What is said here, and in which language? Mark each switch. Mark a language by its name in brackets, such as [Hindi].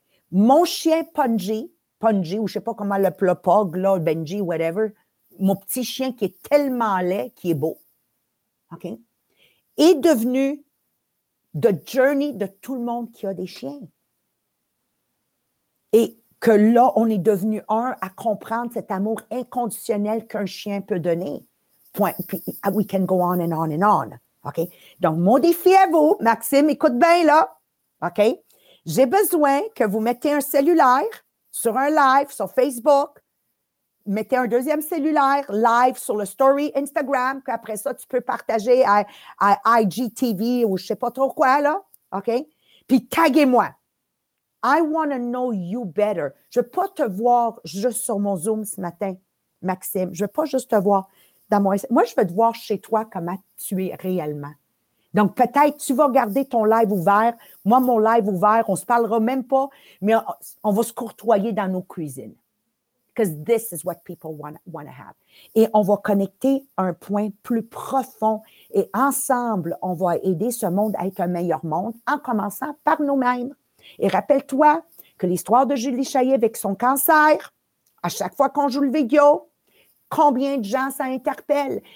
[French] Mon chien Punji, ou je ne sais pas comment le plopog, là, Benji, whatever, mon petit chien qui est tellement laid, qui est beau, OK, est devenu the journey de tout le monde qui a des chiens. Et que là, on est devenu un à comprendre cet amour inconditionnel qu'un chien peut donner. Point. [English] Puis, we can go on and on and on. [French] OK? Donc, mon défi à vous, Maxime, écoute bien là. OK? J'ai besoin que vous mettez un cellulaire sur un live sur Facebook. Mettez un deuxième cellulaire live sur le story Instagram. Qu'après ça, tu peux partager à IGTV ou je ne sais pas trop quoi là. OK? Puis, taguez-moi. [English] I want to know you better. [French] Je ne veux pas te voir juste sur mon Zoom ce matin, Maxime. Je ne veux pas juste te voir dans mon... Moi, je veux te voir chez toi comment tu es réellement. Donc, peut-être tu vas garder ton live ouvert. Moi, mon live ouvert, on ne se parlera même pas, mais on va se courtoyer dans nos cuisines. [English] Because this is what people want to have. [French] Et on va connecter un point plus profond. Et ensemble, on va aider ce monde à être un meilleur monde en commençant par nous-mêmes. Et rappelle-toi que l'histoire de Julie Chaillet avec son cancer, à chaque fois qu'on joue le vidéo, combien de gens ça interpelle?